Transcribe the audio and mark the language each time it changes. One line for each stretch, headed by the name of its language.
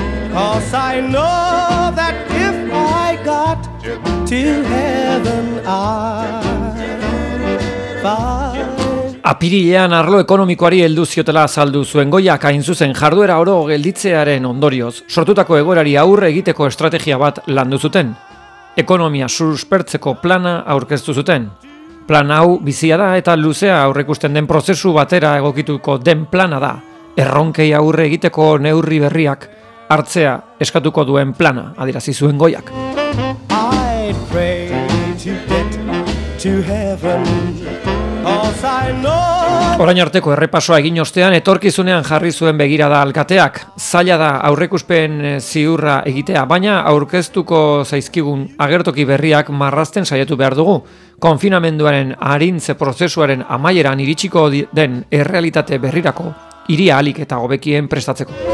English: 'cause I know that if I got to heaven I'd find.
Basque: Apirilean arlo ekonomikoari heldu ziotela azaldu zuen Goiak, hain zuzen jarduera oro gelditzearen ondorioz sortutako egoerari aurre egiteko estrategia bat landu zuten. Ekonomia suspertzeko plana aurkeztu zuten. Plan hau bizia da eta luzea aurreikusten den prozesu batera egokituko den plana da. Erronkei aurre egiteko neurri berriak hartzea eskatuko duen plana adierazi zuen Goiak.
English: I'd pray to get to heaven, 'cause I know.
Basque: Orain arteko errepasoa egin ostean etorkizunean jarri zuen begirada alkateak. Zaila da aurreikuspen ziurra egitea, baina aurkeztuko zaizkigun agertoki berriak marrazten saiatu behar dugu. Konfinamenduaren arintze prozesuaren amaieran iritsiko den errealitate berrirako iria alik eta hobekien prestatzeko.